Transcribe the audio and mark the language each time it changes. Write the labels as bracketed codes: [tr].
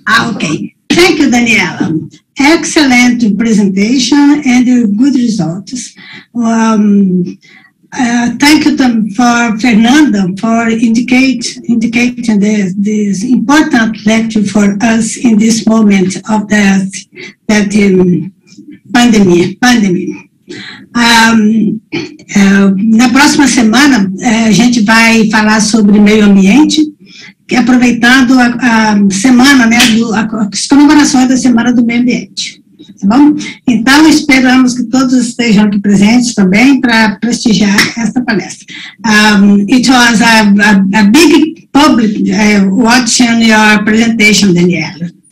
[en] Okay. Thank you, Daniela. Excellent presentation and good results. Thank you for Fernanda for indicating this important lecture for us in this moment of that pandemic. [pt] Na próxima semana, a gente vai falar sobre meio ambiente, que aproveitando a semana, né, as comemorações da Semana do Meio Ambiente. Tá bom? Então, esperamos que todos estejam aqui presentes também para prestigiar esta palestra. [en] It was a big public watching your presentation, Daniela.